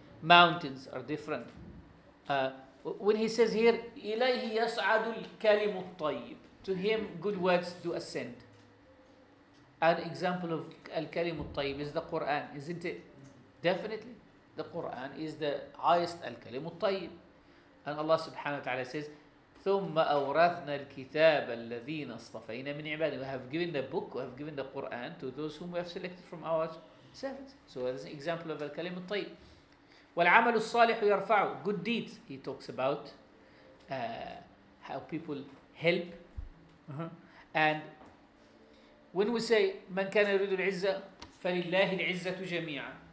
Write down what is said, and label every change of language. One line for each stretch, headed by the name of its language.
English: Mountains are different. When he says here,
Arabic: إِلَيْهِ يَصْعَدُ الْكَلِمُ الطَّيِّبُ.
English: To him, good words do ascend. An example of الْكَلِمُ الطَّيِّبُ is the Qur'an, isn't it? Definitely. The Qur'an is the highest الْكَلِمُ الطَّيِّبُ. And Allah subhanahu wa ta'ala says,
Arabic: ثُمَّ أَوْرَثْنَا الْكِتَابَ الَّذِينَ اصْطَفَيْنَا مِنْ عِبَادِنَا.
English: We have given the book, we have given the Qur'an to those whom we have selected from our servants. So that's an example of الْكَلِمُ الطَّيِّبُ.
Arabic: وَالْعَمَلُ الصَّالِحُ يَرْفَعُ.
English: Good deeds. He talks about how people help. And when we say,
Arabic: مَنْ كَانَ يُرِيدُ الْعِزَّةِ فَلِلَّهِ الْعِزَّةُ جَمِيعًا.